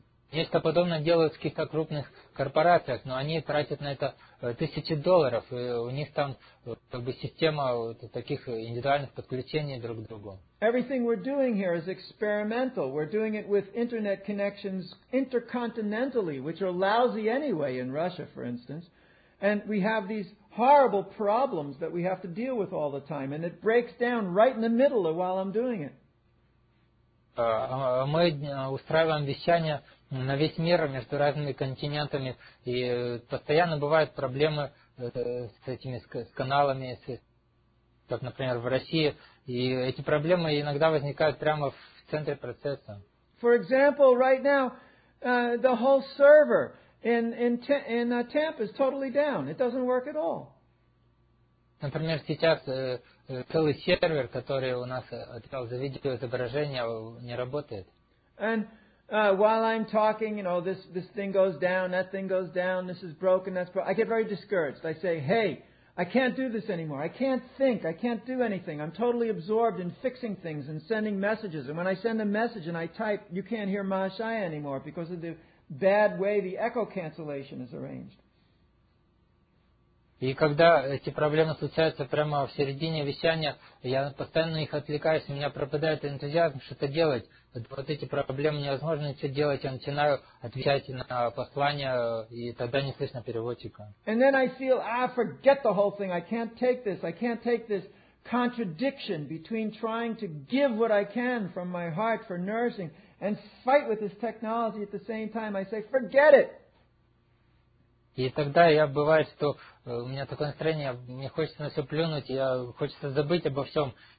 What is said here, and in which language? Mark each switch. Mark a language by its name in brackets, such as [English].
[Russian] Нечто подобное делают в каких-то крупных корпорациях, но они тратят на это $1,000, и у них там как бы система вот таких индивидуальных подключений друг к другу. [English] Everything we're doing here is experimental. We're doing it with internet connections intercontinentally, which are lousy anyway in Russia, for instance. And we have these horrible problems that we have to deal with all the time, and it breaks down right in the middle of while I'm doing it. [Russian] Мы устраиваем вещание на весь мир между разными континентами, и постоянно бывают проблемы с этими с каналами, как, например, в России, и эти проблемы иногда возникают прямо в центре процесса. [English] For example, right now the whole server in Tampa is totally down. It doesn't work at all. [Russian] Например, сейчас целый сервер, который у нас отвечал за видео изображение, не работает. [English] And while I'm talking, you know, this thing goes down, that thing goes down, this is broken, that's broken. I get very discouraged. I say, hey, I can't do this anymore. I can't think. I can't do anything. I'm totally absorbed in fixing things and sending messages. And when I send a message and I type, you can't hear Mahashaya anymore because of the bad way the echo cancellation is arranged. [Russian] И когда эти проблемы случаются прямо в середине вещания, я постоянно их отвлекаюсь, у меня пропадает энтузиазм что-то делать. Вот эти проблемы невозможно ничего делать, я начинаю отвечать на послания, и тогда не слышно переводчика. [English] And then I feel, forget the whole thing, I can't take this, I can't take this contradiction between trying to give what I can from my heart for nursing and fight with this technology at the same time, I say, forget it. [Russian] И тогда я бывает, что у меня такое настроение, мне хочется на все плюнуть, я хочется забыть обо всем.